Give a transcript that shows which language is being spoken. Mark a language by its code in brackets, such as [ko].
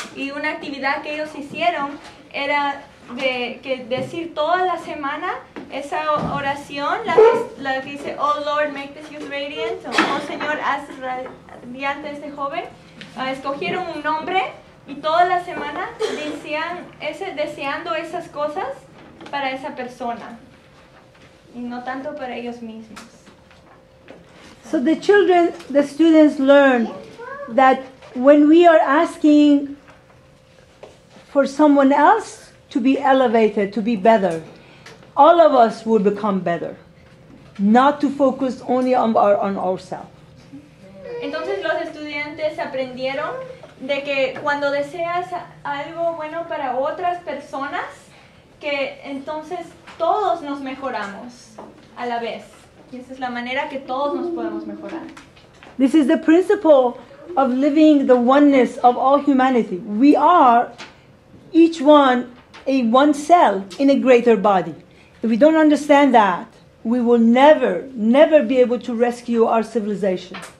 [es] Y una actividad que ellos hicieron era de que decir toda la semana esa oración, la que dice, [en] oh Lord, make this youth radiant, [es] o, oh Señor, haz radiante este joven. Escogieron un nombre y toda la semana decían deseando esas cosas para esa persona. Y no tanto para ellos mismos. [en] So the children, the students learn that when we are asking for someone else to be elevated, to be better, all of us will become better. Not to focus only on ourselves. [es] Entonces los estudiantes aprendieron de que cuando deseas algo bueno para otras personas, que entonces todos nos mejoramos a la vez. Y esa es la manera que todos nos podemos mejorar. [en] This is the principle of living the oneness of all humanity. We are each one a one cell in a greater body. If we don't understand that, we will never, never be able to rescue our civilization.